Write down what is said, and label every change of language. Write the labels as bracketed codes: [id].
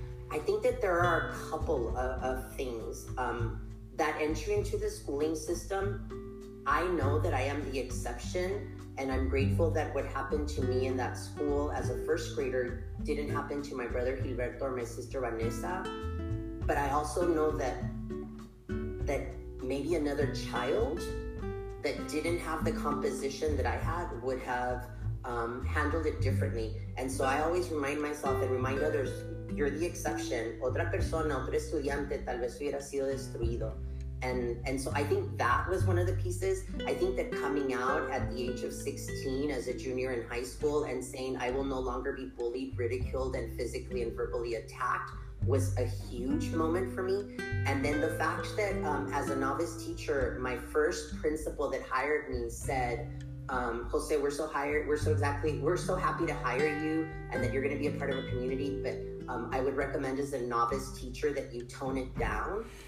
[en] I think that there are a couple of things. That entry into the schooling system, I know that I am the exception, and I'm grateful that what happened to me in that school as a first grader didn't happen to my brother Gilberto or my sister Vanessa. But I also know that maybe another child that didn't have the composition that I had would have handled it differently. And so I always remind myself and remind others, you're the exception. [es] Otra persona, otro estudiante, tal vez hubiera sido destruido. [en] And so I think that was one of the pieces. I think that coming out at the age of 16 as a junior in high school and saying, I will no longer be bullied, ridiculed, and physically and verbally attacked was a huge moment for me. And then the fact that as a novice teacher, my first principal that hired me said, Jose, we're so happy to hire you and that you're gonna be a part of a community, but I would recommend as a novice teacher that you tone it down.